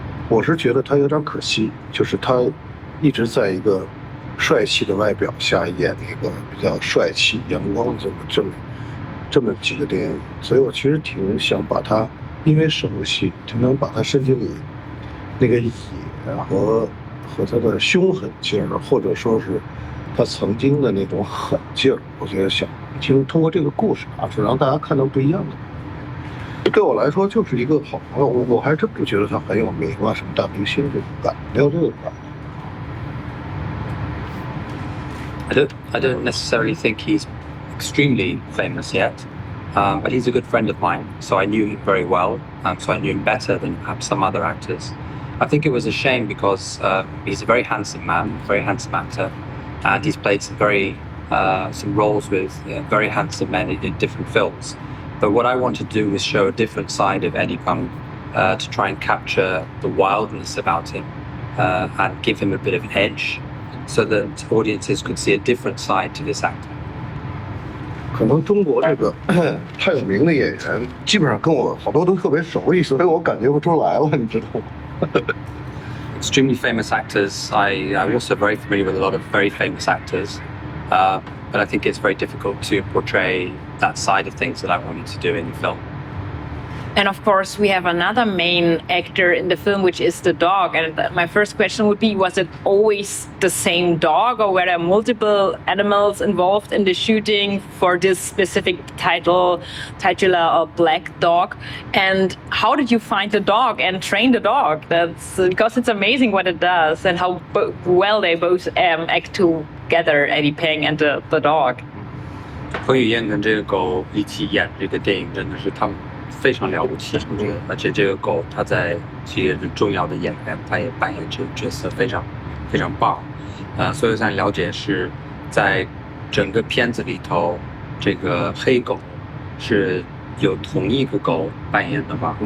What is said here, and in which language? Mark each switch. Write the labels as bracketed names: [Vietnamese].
[Chinese] 我是觉得他有点可惜，就是他一直在一个帅气的外表下演一个比较帅气阳光的这么几个电影，所以我其实挺想把他，因为是武戏，就能把他身体里那个野和他的凶狠劲儿，或者说是他曾经的那种狠劲儿，我觉得想听通过这个故事啊，就让大家看到不一样的。对我来说就是一个好朋友，我还真不觉得他很有名啊，什么大明星这种感，没有这个感。 [English] I don't necessarily think he's extremely famous yet, but he's a good friend of mine, so I knew him very well, and so I knew him better than perhaps some other actors. I think it was a shame because he's a very handsome man, very handsome actor, and he's played some roles with very handsome men in different films. But what I wanted to do was show a different side of Eddie Peng, to try and capture the wildness about him, and give him a bit of an edge. So that audiences could see a different side to this actor. [Chinese] 可能中国这个太有名的演员，基本上跟我好多都特别熟悉，所以我感觉不出来了，你知道吗？ [English] Extremely famous actors. I'm also very familiar with a lot of very famous actors. But I think it's very difficult to portray that side of things that I wanted to do in the film. And of course, we have another main actor in the film, which is the dog. And my first question would be, was it always the same dog, or were there multiple animals involved in the shooting for this specific titular or black dog? And how did you find the dog and train the dog? That's because it's amazing what it does and how well they both act together, Eddie Peng and the dog. [Chinese] Peng Yuyan 跟这个狗一起演这个电影真的是他们非常了不起，而且这个狗它在其实是重要的演员，它也扮演这个角色非常非常棒。所以想了解是在整个片子里头，这个黑狗是有同一个狗扮演的吗？